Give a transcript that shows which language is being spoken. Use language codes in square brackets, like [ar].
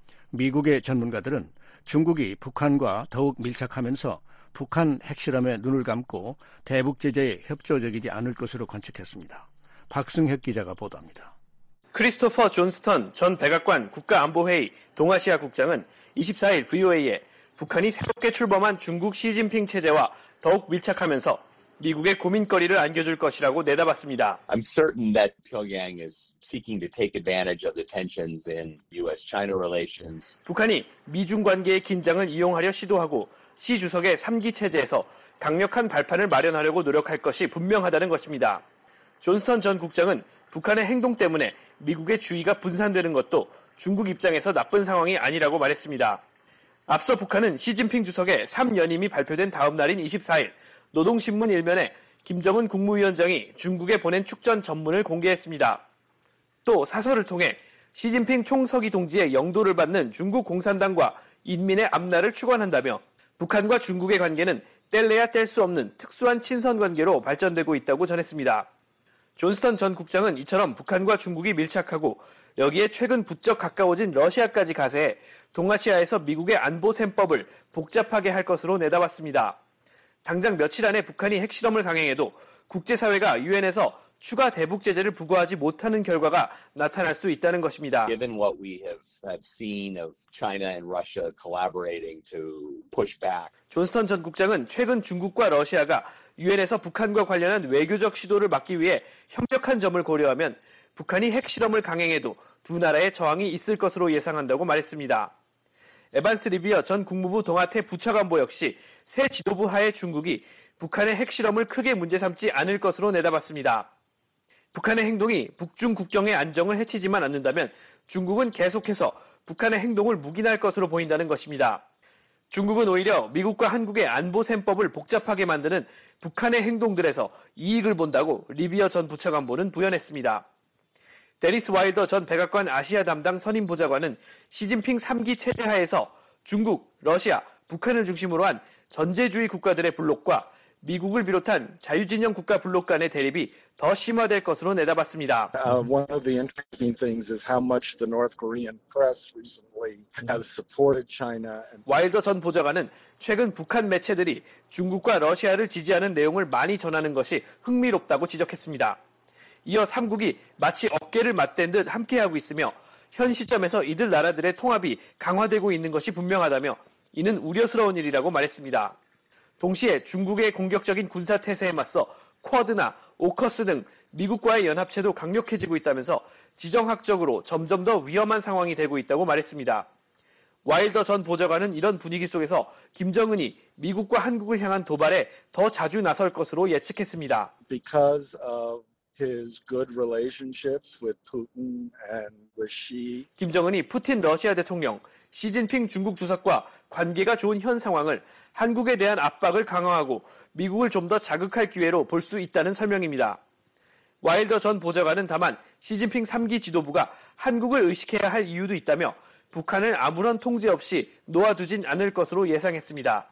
[ko] 미국의 전문가들은 중국이 북한과 더욱 밀착하면서 북한 핵실험에 눈을 감고 대북제재에 협조적이지 않을 것으로 관측했습니다. 박승혁 기자가 보도합니다. 크리스토퍼 존스턴 전 백악관 국가안보회의 동아시아 국장은 24일 VOA에 북한이 새롭게 출범한 중국 시진핑 체제와 더욱 밀착하면서 미국의 고민거리를 안겨줄 것이라고 내다봤습니다. [en] I'm certain that Pyongyang is seeking to take advantage of the tensions in US-China relations. [ko] 북한이 미중 관계의 긴장을 이용하려 시도하고 시 주석의 3기 체제에서 강력한 발판을 마련하려고 노력할 것이 분명하다는 것입니다. 존스턴 전 국장은 북한의 행동 때문에 미국의 주의가 분산되는 것도 중국 입장에서 나쁜 상황이 아니라고 말했습니다. 앞서 북한은 시진핑 주석의 3연임이 발표된 다음 날인 24일 노동신문 1면에 김정은 국무위원장이 중국에 보낸 축전 전문을 공개했습니다. 또 사설을 통해 시진핑 총서기 동지의 영도를 받는 중국 공산당과 인민의 앞날을 축원한다며 북한과 중국의 관계는 뗄래야 뗄 수 없는 특수한 친선관계로 발전되고 있다고 전했습니다. 존스턴 전 국장은 이처럼 북한과 중국이 밀착하고 여기에 최근 부쩍 가까워진 러시아까지 가세해 동아시아에서 미국의 안보 셈법을 복잡하게 할 것으로 내다봤습니다. 당장 며칠 안에 북한이 핵실험을 강행해도 국제사회가 유엔에서 추가 대북 제재를 부과하지 못하는 결과가 나타날 수 있다는 것입니다. [en] Given what we have seen of China and Russia collaborating to push back. [ko] 존스턴 전 국장은 최근 중국과 러시아가 유엔에서 북한과 관련한 외교적 시도를 막기 위해 협력한 점을 고려하면 북한이 핵실험을 강행해도 두 나라의 저항이 있을 것으로 예상한다고 말했습니다. 에반스 리비어 전 국무부 동아태 부차관보 역시 새 지도부 하에 중국이 북한의 핵실험을 크게 문제 삼지 않을 것으로 내다봤습니다. 북한의 행동이 북중 국경의 안정을 해치지만 않는다면 중국은 계속해서 북한의 행동을 묵인할 것으로 보인다는 것입니다. 중국은 오히려 미국과 한국의 안보 셈법을 복잡하게 만드는 북한의 행동들에서 이익을 본다고 리비어 전 부차관보는 부연했습니다. 데니스 와일더 전 백악관 아시아 담당 선임 보좌관은 시진핑 3기 체제 하에서 중국, 러시아, 북한을 중심으로 한 전제주의 국가들의 블록과 미국을 비롯한 자유진영 국가 블록 간의 대립이 더 심화될 것으로 내다봤습니다. [en] One of the interesting things is how much the North Korean press recently has supported China. [ko] 와일더 전 보좌관은 최근 북한 매체들이 중국과 러시아를 지지하는 내용을 많이 전하는 것이 흥미롭다고 지적했습니다. 이어 3국이 마치 어깨를 맞댄 듯 함께하고 있으며 현 시점에서 이들 나라들의 통합이 강화되고 있는 것이 분명하다며 이는 우려스러운 일이라고 말했습니다. 동시에 중국의 공격적인 군사 태세에 맞서 쿼드나 오커스 등 미국과의 연합체도 강력해지고 있다면서 지정학적으로 점점 더 위험한 상황이 되고 있다고 말했습니다. 와일더 전 보좌관은 이런 분위기 속에서 김정은이 미국과 한국을 향한 도발에 더 자주 나설 것으로 예측했습니다. [en] Because of his good relationships with Putin and with Xi. [ko] 김정은이 푸틴 러시아 대통령, 시진핑 중국 주석과 관계가 좋은 현 상황을 한국에 대한 압박을 강화하고 미국을 좀 더 자극할 기회로 볼 수 있다는 설명입니다. 와일더 전 보좌관은 다만 시진핑 3기 지도부가 한국을 의식해야 할 이유도 있다며 북한을 아무런 통제 없이 놓아두진 않을 것으로 예상했습니다.